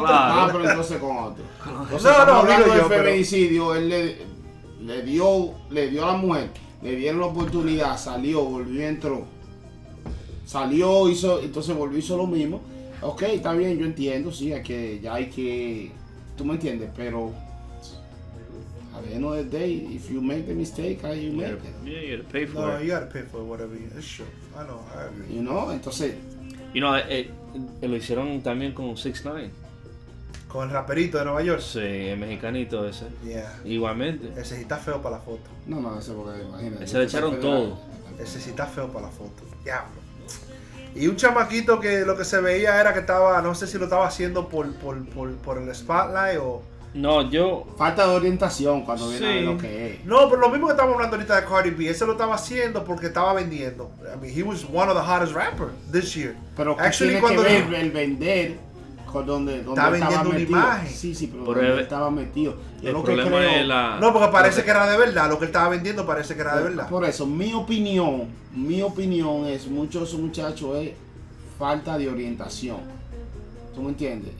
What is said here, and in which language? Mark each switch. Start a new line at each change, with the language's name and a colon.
Spanish: Claro. Ah, pero entonces con otro. Entonces, no, estamos hablando del feminicidio. Pero... Él le dio a la mujer, le dieron la oportunidad, salió, volvió, entró. Salió, hizo, entonces volvió, hizo lo mismo. Ok, está bien, yo entiendo, sí, es que ya hay que... Tú me entiendes, pero...
English: At the end of the day, if you make the mistake, how you make it? Yeah, you gotta pay for it. No, you gotta pay for whatever you... It's true. I know, I agree. You know,
Spanish: entonces...
English: You know,
Spanish: lo hicieron también con 6ix9ine. ¿Con el raperito de Nueva York? Sí, el mexicanito ese. Yeah. Igualmente. Ese sí está feo para la foto. No, ese porque imagínate. Ese le echaron todo. Ese sí está feo para la foto. Ya, bro. Y un chamaquito que lo que se veía era que estaba, no sé si lo estaba haciendo por el spotlight o... No, yo... Falta de orientación cuando viene a ver lo que es. No, pero lo mismo que estamos hablando ahorita de Cardi B, ese lo estaba haciendo porque estaba vendiendo.
English: I mean, he was one of the hottest rappers this year.
Spanish: Pero actually, tiene cuando que ver el vender ¿Dónde está vendiendo una imagen. Sí, sí, pero ¿dónde estaba metido? El problema es la... No, porque parece que era de verdad. Lo que él estaba vendiendo parece que era de verdad. Por eso, mi opinión es, muchos muchachos es falta de orientación. ¿Tú me entiendes?